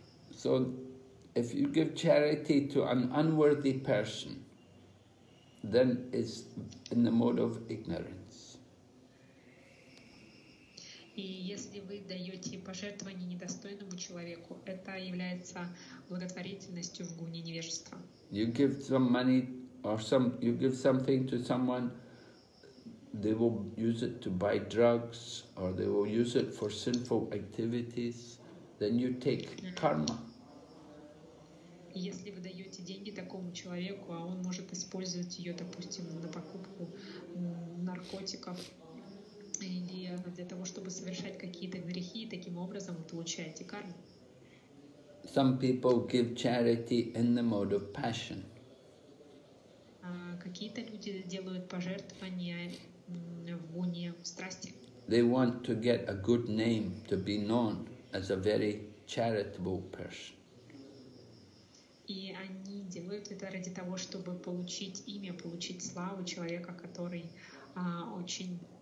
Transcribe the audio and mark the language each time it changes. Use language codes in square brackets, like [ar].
[en] So, if you give charity to an unworthy person, then it's in the mode of ignorance. [ru] И если вы даете пожертвование недостойному человеку, это является благотворительностью в гуне невежества. [en] You give some money or some, you give something to someone, they will use it to buy drugs or they will use it for sinful activities, then you take karma. [ru] Если вы даете деньги такому человеку, а он может использовать ее, допустим, на покупку наркотиков, или для того, чтобы совершать какие-то грехи, таким образом вы получаете карму. [en] Some people give charity in the mode of passion. [ru] Какие-то люди делают пожертвования в гуне страсти. [en] They want to get a good name, to be known as a very charitable person. [ru] И они делают это ради того, чтобы получить имя, получить славу человека, который очень...